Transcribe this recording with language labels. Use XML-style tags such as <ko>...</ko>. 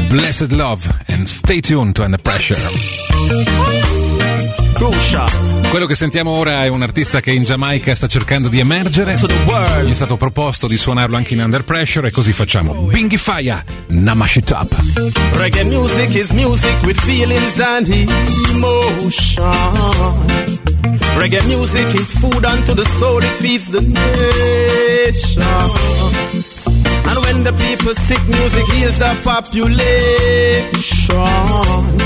<en>Blessed love and stay tuned to Under Pressure. Crucia.</en> <it>Quello che sentiamo ora è un artista che in Giamaica sta cercando di emergere. Gli è stato proposto di suonarlo anche in Under Pressure e così facciamo.</it> <en>Bingy Faya, Namash It Up. Reggae music is music with feelings and emotion. Reggae music is food unto the soul, it feeds the nation. And when When the people sick, music heals the population.</en>